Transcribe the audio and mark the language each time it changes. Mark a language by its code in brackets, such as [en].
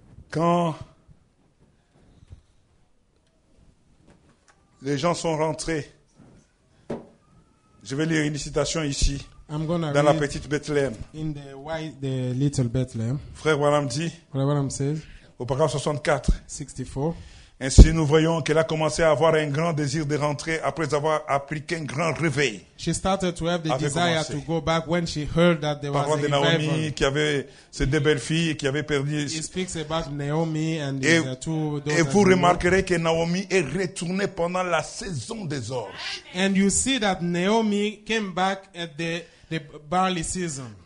[fr] quand les gens sont rentrés, je vais lire une citation ici, dans la petite Bethléem. [en] In the little Bethlehem. [fr] Frère Branham dit, [en] Frère Branham says, [fr] au paragraphe 64, [en] 64, [fr] ainsi nous voyons qu'elle a commencé à avoir un grand désir de rentrer après avoir appliqué un grand réveil. [en] She started to have the desire to go back when she heard that there was a revival. [fr] Parlant de Naomi qui avait ses deux belles filles qui avaient perdu. [en] He speaks about Naomi and his two daughters. [fr] Et vous remarquerez que Naomi est retournée pendant la saison des orges. [en] And you see that Naomi came back at the barley season.